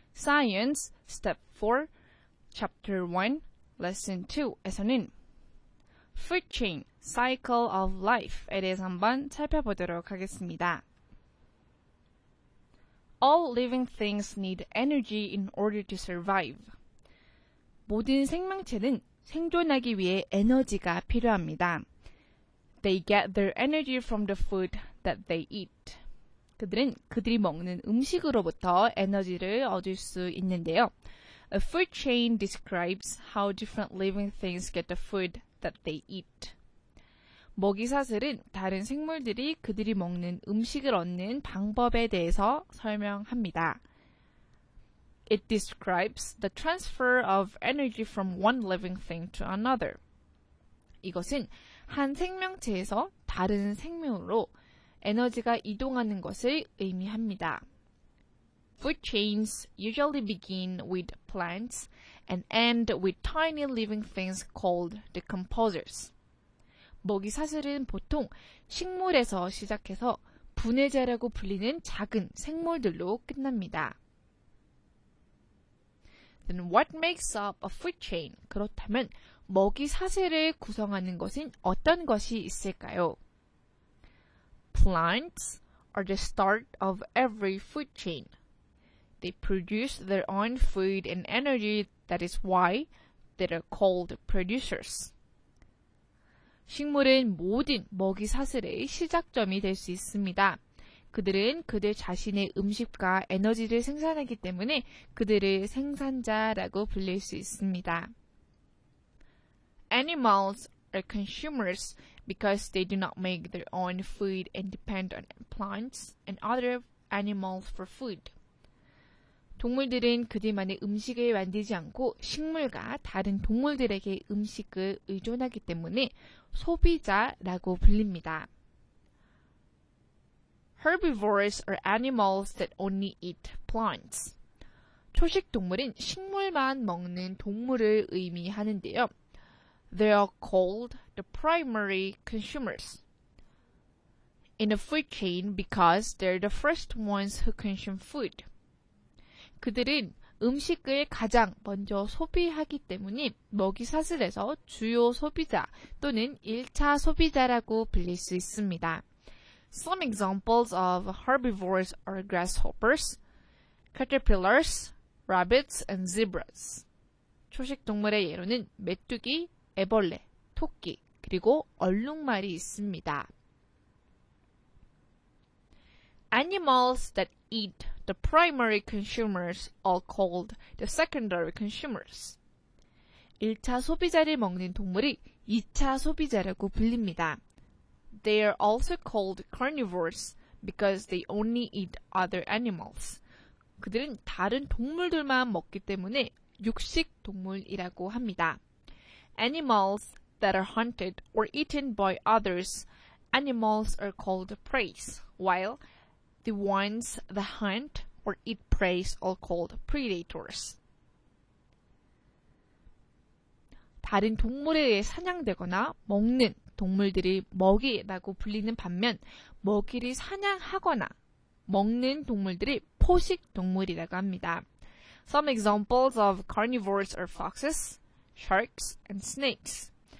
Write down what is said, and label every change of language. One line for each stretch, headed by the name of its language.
Korean: Science Step 4, Chapter 1, Lesson 2에서는
English: Food Chain, Cycle of Life
Korean: 에 대해서 한번 살펴보도록 하겠습니다.
English: All living things need energy in order to survive.
Korean: 모든 생명체는 생존하기 위해 에너지가 필요합니다.
English: They get their energy from the food that they eat.
Korean: 그들은 그들이 먹는 음식으로부터 에너지를 얻을 수 있는데요.
English: A food chain describes how different living things get the food that they eat.
Korean: 먹이사슬은 다른 생물들이 그들이 먹는 음식을 얻는 방법에 대해서 설명합니다.
English: It describes the transfer of energy from one living thing to another.
Korean: 이것은 한 생명체에서 다른 생명으로 에너지가 이동하는 것을 의미합니다.
English: Food chains usually begin with plants and end with tiny living things called decomposers.
Korean: 먹이사슬은 보통 식물에서 시작해서 분해자라고 불리는 작은 생물들로 끝납니다.
English: Then what makes up a food chain?
Korean: 그렇다면 먹이사슬을 구성하는 것은 어떤 것이 있을까요?
English: Plants are the start of every food chain. They produce their own food and energy. That is why they are called producers.
Korean: 식물은 모든 먹이사슬의 시작점이 될 수 있습니다. 그들은 그들 자신의 음식과 에너지를 생산하기 때문에 그들을 생산자라고 불릴 수 있습니다.
English: Animals are consumers because they do not make their own food and depend on plants and other animals for food.
Korean: 동물들은 그들만의 음식을 만들지 않고 식물과 다른 동물들에게 음식을 의존하기 때문에 소비자라고 불립니다.
English: Herbivores are animals that only eat plants.
Korean: 초식 동물은 식물만 먹는 동물을 의미하는데요.
English: They are called the primary consumers in a food chain because they're the first ones who consume food.
Korean: 그들은 음식을 가장 먼저 소비하기 때문에 먹이사슬에서 주요 소비자 또는 1차 소비자라고 불릴 수 있습니다.
English: Some examples of herbivores are grasshoppers, caterpillars, rabbits, and zebras.
Korean: 초식 동물의 예로는 메뚜기, 애벌레, 토끼, 그리고 얼룩말이 있습니다.
English: Animals that eat the primary consumers are called the secondary consumers.
Korean: 1차 소비자를 먹는 동물이 2차 소비자라고 불립니다.
English: They are also called carnivores because they only eat other animals.
Korean: 그들은 다른 동물들만 먹기 때문에 육식 동물이라고 합니다.
English: Animals that are hunted or eaten by others, animals are called prey, while the ones that hunt or eat prey are called predators.
Korean: 다른 동물에 의해 사냥되거나 먹는 동물들이 먹이라고 불리는 반면 먹이를 사냥하거나 먹는 동물들이 포식 동물이라고 합니다.
English: Some examples of carnivores are foxes, sharks, and snakes.